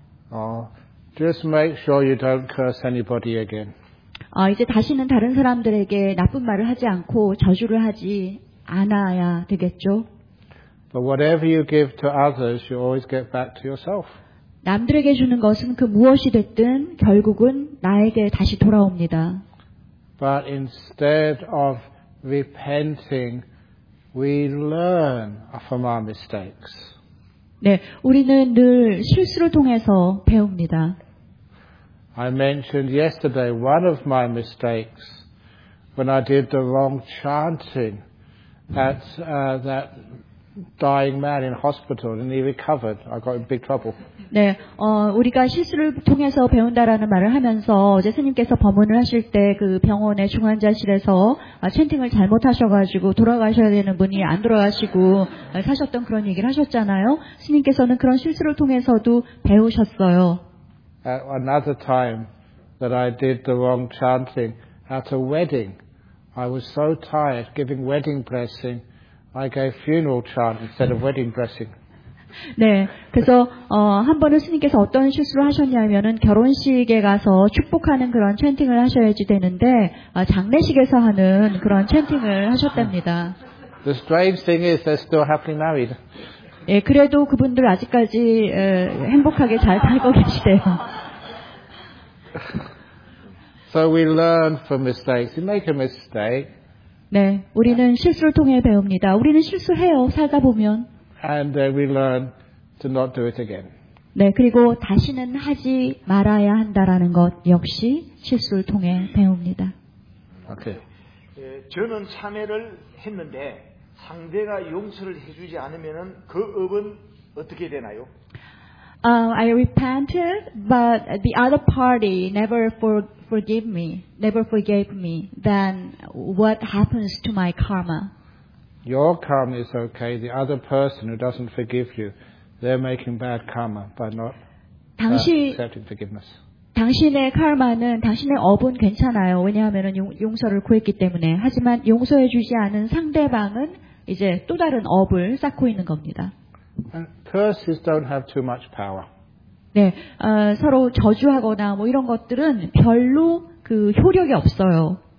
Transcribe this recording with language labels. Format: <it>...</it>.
<en>Oh, just make sure you don't curse anybody again.</en> <ko>이제 다시는 다른 사람들에게 나쁜 말을 하지 않고 저주를 하지 않아야 되겠죠.</ko> <en>But whatever you give to others, you always get back to yourself.</en> <ko>남들에게 주는 것은 그 무엇이 됐든 결국은 나에게 다시 돌아옵니다.</ko> <en>But instead of repenting, we learn from our mistakes.</en> <ko>네, 우리는 늘 실수를 통해서 배웁니다.</ko> <en>I mentioned yesterday one of my mistakes when I did the wrong chanting at that dying man in hospital and he recovered. I got in big trouble.</en> <ko>네, 우리가 실수를 통해서 배운다라는 말을 하면서 어제 스님께서 법문을 하실 때 그 병원의 중환자실에서 챈팅을 잘못하셔가지고 돌아가셔야 되는 분이 안 돌아가시고 사셨던 그런 얘기를 하셨잖아요. 스님께서는 그런 실수를 통해서도 배우셨어요.</ko> <en>At another time that I did the wrong chanting at a wedding, I was so tired giving wedding blessing, I gave funeral chant instead of wedding blessing.</en> <ko>네, 그래서 한 번은 스님께서 어떤 실수를 하셨냐면은 결혼식에 가서 축복하는 그런 챈팅을 하셔야지 되는데 장례식에서 하는 그런 챈팅을 하셨답니다.</ko> <en>The strange thing is they're still happily married.</en> <ko>예, 그래도 그분들 아직까지 행복하게 잘 살고 계시대요.</ko> <en>So we learn from mistakes. You make a mistake.</en> <ko>네, 우리는 실수를 통해 배웁니다. 우리는 실수해요. 살다 보면.</ko> <en>And we learn to not do it again.</en> <ko>네, 그리고 다시는 하지 말아야 한다라는 것 역시 실수를 통해 배웁니다.</ko> <en>Okay.</en> <ko>예, 저는 참회를 했는데 상대가 용서를 해주지 않으면은 그 업은 어떻게 되나요?</ko> <en>I repented, but the other party never forgive me, never forgave me. Then what happens to my karma? Your karma is okay. The other person who doesn't forgive you, they're making bad karma by not accepting forgiveness.</en> <ko>당신의 카르마는 당신의 업은 괜찮아요. 왜냐하면은 용서를 구했기 때문에. 하지만 용서해주지 않은 상대방은 이제 또 다른 업을 쌓고 있는 겁니다.</ko> <en>Curses don't have too much power.</en> <ko>네, 서로 저주하거나 뭐 이런 것들은 별로 그 효력이 없어요.</ko>